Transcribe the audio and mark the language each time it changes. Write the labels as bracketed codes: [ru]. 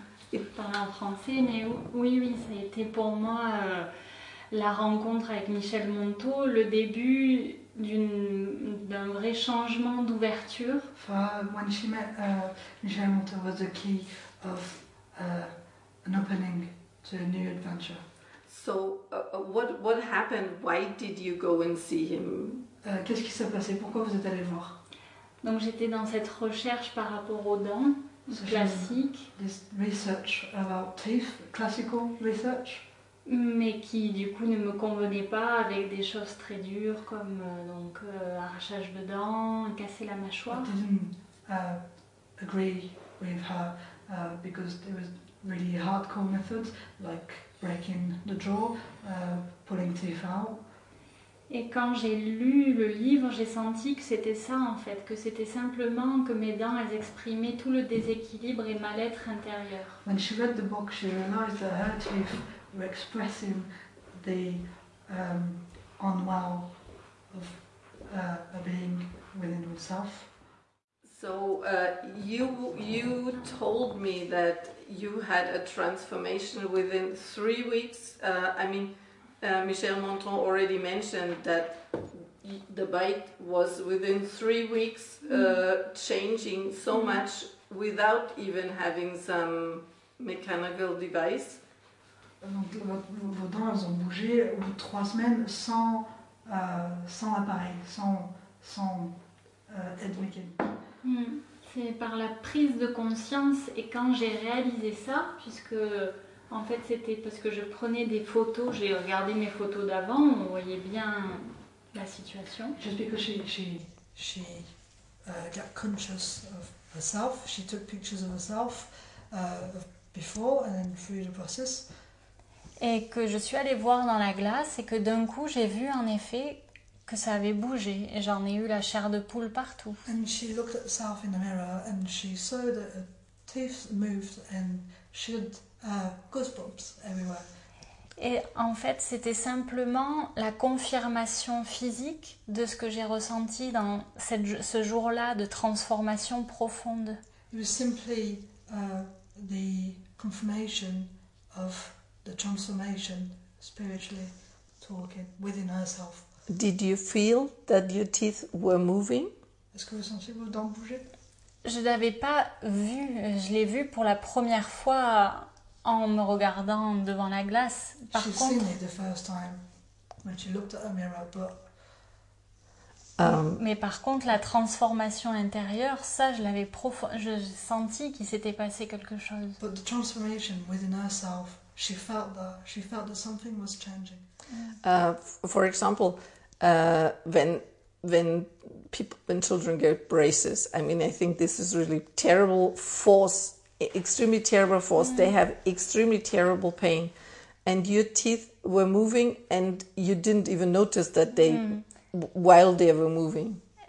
[fr] Je parle français, mais oui, c'était pour moi la rencontre avec Michel Montand, le début d'un vrai changement d'ouverture. [en] When she met Michel Montand, was the key of an opening to a new adventure. So what happened? Why did you go and see him? [fr] Qu'est-ce qui s'est passé? Pourquoi vous êtes allé voir? Donc j'étais dans cette recherche par rapport aux dents. [en] So [fr] classique. [en] This research about teeth, classical research. [fr] Mais qui du coup ne me convenait pas avec des choses très dures comme arrachage de dents, casser la mâchoire. [en] I didn't agree with her because there was really hardcore methods like breaking the jaw, pulling teeth out. [fr] Et quand j'ai lu le livre, j'ai senti que c'était ça en fait, que c'était simplement que mes dents, elles exprimaient tout le déséquilibre et mal-être intérieur. [en] When she read the book, she realized that her teeth were expressing the unwell of a being within herself. So you told me that you had a transformation within 3 weeks. Michel Montand already mentioned that the bite was within 3 weeks changing so much without even having some mechanical device. [fr] Donc vos dents elles ont bougé au bout de 3 semaines sans appareil, sans aide mécanique. C'est par la prise de conscience et quand j'ai réalisé ça, puisque en fait, c'était parce que je prenais des photos, j'ai regardé mes photos d'avant, on voyait bien la situation. [en] Just because she got conscious of herself, she took pictures of herself before and then through the process. [fr] Et que je suis allée voir dans la glace et que d'un coup, j'ai vu en effet que ça avait bougé et j'en ai eu la chair de poule partout. [en] And she looked at herself in the mirror and she saw that her teeth moved and she had goosebumps everywhere. [fr] Et en fait, c'était simplement la confirmation physique de ce que j'ai ressenti dans ce jour-là de transformation profonde. [en] It was simply the confirmation of the transformation spiritually talking within herself. Did you feel that your teeth were moving? [fr] Est-ce que vous sentiez vos dents bouger? Je n'avais pas vu, je l'ai vu pour la première fois en me regardant devant la glace. Par [en] she's [fr] contre, [en] seen it the first time when she looked at her mirror, but [fr] mais par contre, la transformation intérieure, ça, je l'avais profondément, j'ai senti qu'il s'était passé quelque chose. [en] But the transformation within herself, she felt that something was changing. For example, when people, when children get braces, I mean, I think this is really terrible force. Extremely terrible force. They have extremely terrible pain and your teeth were moving and you didn't even notice that they while they were moving.